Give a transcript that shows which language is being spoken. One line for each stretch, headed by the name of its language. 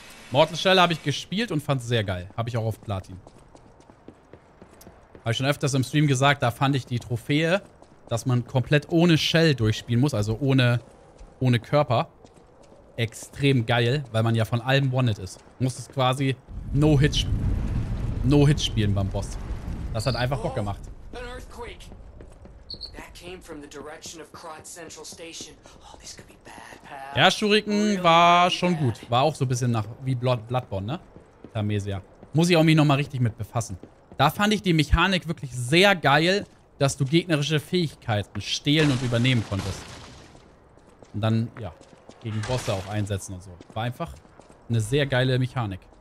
German: Mortal Shell habe ich gespielt und fand es sehr geil. Habe ich auch auf Platin. Habe ich schon öfters im Stream gesagt, da fand ich die Trophäe, dass man komplett ohne Shell durchspielen muss, also ohne Körper, extrem geil, weil man ja von allem wanted ist. Muss es quasi No-Hit spielen beim Boss. Das hat einfach Bock gemacht.
English: An earthquake. That came from the direction of Krat Central Station. Oh, this could be bad, pal.
German: Ja, Shuriken war schon gut. War auch so ein bisschen nach wie Bloodborne, ne? Thymesia. Muss ich auch mich nochmal richtig mit befassen. Da fand ich die Mechanik wirklich sehr geil, dass du gegnerische Fähigkeiten stehlen und übernehmen konntest. Und dann, ja, gegen Bosse auch einsetzen und so. War einfach eine sehr geile Mechanik.